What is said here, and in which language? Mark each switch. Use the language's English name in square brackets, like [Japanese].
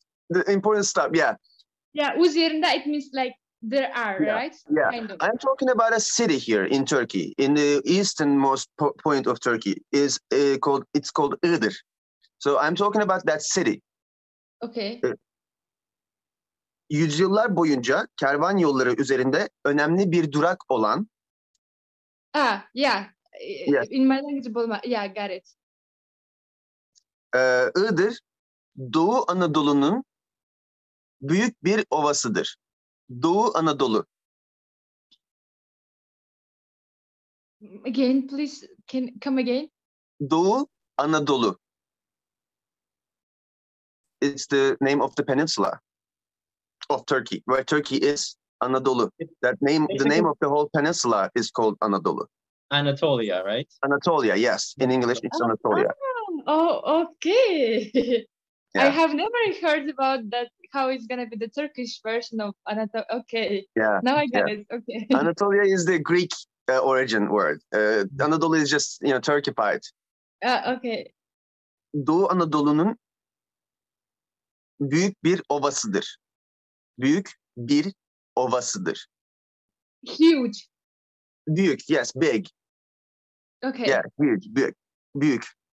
[English] The important stop, yeah. Yeah, üzerinde, it means like there are, yeah, right? Yeah, kind of. I'm talking about a city here in Turkey, in the easternmost point of Turkey, is called, it's called Iğdır. So I'm talking about that city. Okay. [Turkish] Yüzyıllar boyunca kervan yolları üzerinde önemli bir durak olan. [English] Ah, yeah. Yes. In my language, yeah, got it. [Turkish] Iğdır, Doğu Anadolu'nun büyük bir ovasıdır. Doğu Anadolu. [English] Again, please, can come again? [Turkish] Doğu Anadolu. [English] It's the name of the peninsula of Turkey, where Turkey is Anadolu. That name, the name of the whole peninsula is called Anadolu. Anatolia, right? Anatolia, yes. In English, it's Anatolia. Oh, okay. Yeah. I have never heard about that, how it's going to be the Turkish version of Anatolia. Okay. Yeah. Now I get yeah. it. Okay. Anatolia is the Greek origin word. Anadolu is just, you know, Turkified. Okay. [Turkish] Doğu Anadolu'nun büyük bir ovasıdır. Büyük bir ovasıdır. [English] Huge. Büyük, yes, big. Okay. Yeah, huge, büyük, büyük.